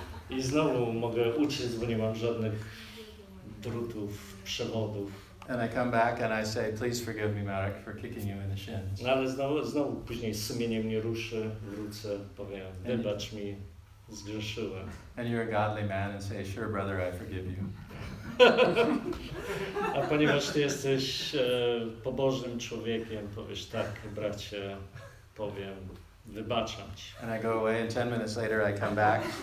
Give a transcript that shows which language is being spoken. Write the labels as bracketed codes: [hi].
[pl] I znowu mogę uciec, bo nie mam żadnych drutów, przewodów. [en] And I come back and I say, please forgive me, Marek, for kicking you in the shins. [pl] No, ale znowu później sumienie mnie ruszy, wrócę, powiem, wybacz mi, zgrzeszyłem. [en] And you're a godly man and say, sure, brother, I forgive you. [pl] A ponieważ ty jesteś pobożnym człowiekiem, powiesz, tak, bracie, powiem, wybaczam ci. [en] And I go away and 10 minutes later I come back.